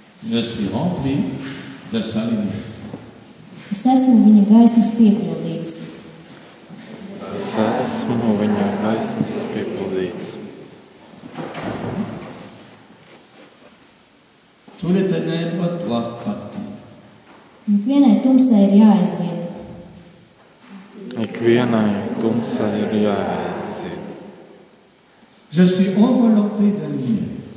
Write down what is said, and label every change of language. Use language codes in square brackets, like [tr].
[fr] Je suis rempli de sa lumière. [lv] Es esmu viņa gaismas piepildīts. Es esmu viņa gaismas piepildīts. [fr] Tous les ténèbres doivent partir. [lv] Ikvienai tumsai ir jāaiziet. Ikvienai tumsai ir jāaiziet. [fr] Je suis enveloppé de lumière.